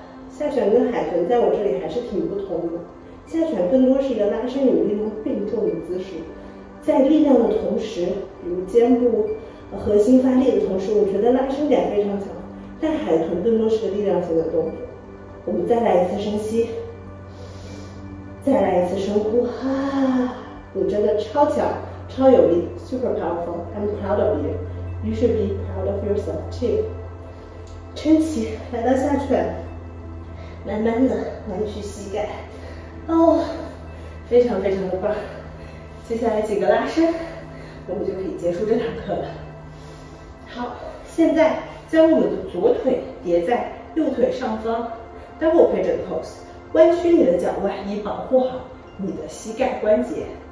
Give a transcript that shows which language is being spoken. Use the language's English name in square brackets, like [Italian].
[Chinese] 下犬跟海豚在我这里还是挺不同的，下犬更多是一个拉伸有力的并重的姿势，在力量的同时，比如肩部核心发力的同时，我觉得拉伸感非常强，但海豚更多是个力量型的动作。我们再来一次深吸，再来一次深呼，哈，你真的超强超有力， [English] super powerful， I'm proud of you， you should be proud of yourself too。 [Chinese] 撑起来到下犬，慢慢的弯曲膝盖，哦，非常非常的棒。接下来几个拉伸，我们就可以结束这堂课了。好，现在将我们的左腿叠在右腿上方 ，double pigeon pose， 弯曲你的脚腕，以保护好你的膝盖关节。